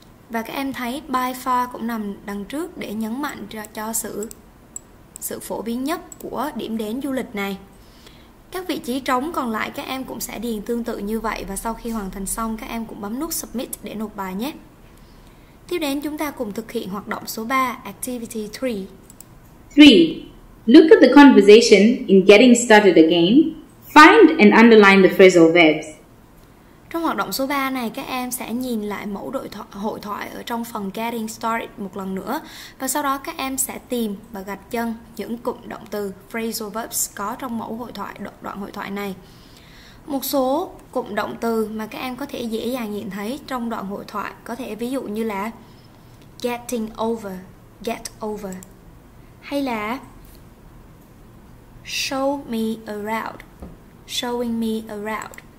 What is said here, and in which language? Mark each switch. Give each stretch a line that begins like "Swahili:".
Vietnamese: Và các em thấy by far cũng nằm đằng trước để nhấn mạnh cho sự phổ biến nhất của điểm đến du lịch này. Các vị trí trống còn lại các em cũng sẽ điền tương tự như vậy, và sau khi hoàn thành xong các em cũng bấm nút submit để nộp bài nhé. Tiếp đến chúng ta cùng thực hiện hoạt động số 3, activity 3.
English: 3. Look at the conversation in Getting Started Again. Find and underline the phrasal verbs.
Vietnamese: Trong hoạt động số 3 này, các em sẽ nhìn lại mẫu hội thoại ở trong phần Getting Started một lần nữa, và sau đó các em sẽ tìm và gạch chân những cụm động từ phrasal verbs có trong mẫu hội thoại, đoạn hội thoại này. Một số cụm động từ mà các em có thể dễ dàng nhìn thấy trong đoạn hội thoại có thể ví dụ như là getting over, get over, hay là
English: show me around, showing me around.